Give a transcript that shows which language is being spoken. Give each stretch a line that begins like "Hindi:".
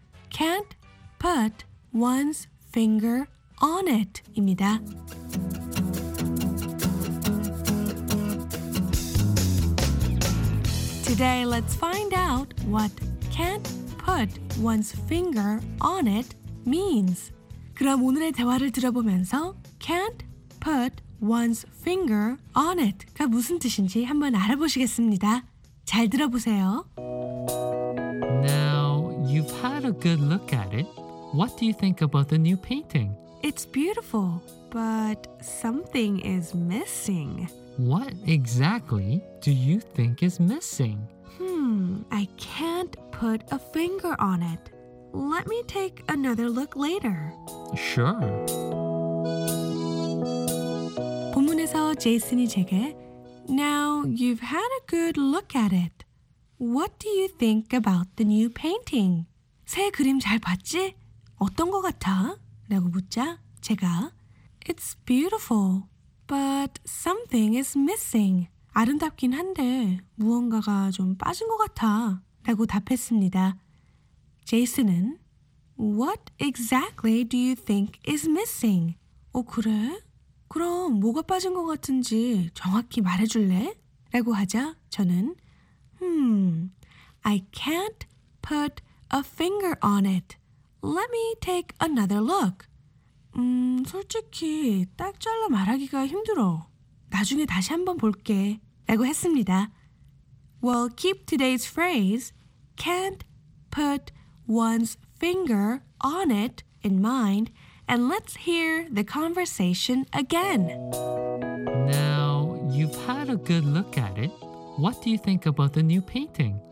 English: Can't put one's finger on it입니다.
Korean: 오늘
English: let's find out what can't put one's finger on it means.
Korean: 그럼 오늘의 대화를 들어보면서
English: can't put one's finger on it
Korean: 가 무슨 뜻인지 한번 알아보시겠습니다. 잘 들어보세요.
English: Now, you've had a good look at it. What do you think about the new painting? It's beautiful, but something is missing. What exactly do you think is missing? I can't put a finger on it. Let me take another look later. Sure.
Korean: 본문에서 제이슨이 제게
English: Now you've had a good look at it. What do you think about the new painting?
Korean: 새 그림 잘 봤지? 어떤 거 같아? 라고 묻자 제가
English: It's beautiful, But something is missing.
Korean: 아름답긴 한데 무언가가 좀 빠진 것 같아 라고 답했습니다. 제이슨은
English: What exactly do you think is missing?
Korean: 어, 그래? 그럼 뭐가 빠진 것 같은지 정확히 말해줄래? 라고 하자 저는
English: I can't put a finger on it. Let me take another look.
Korean: 솔직히 딱 잘라 말하기가 힘들어. 나중에 다시 한번 볼게. 라고 했습니다.
English: Well, keep today's phrase, can't put one's finger on it in mind, and let's hear the conversation again. Now, you've had a good look at it. What do you think about the new painting?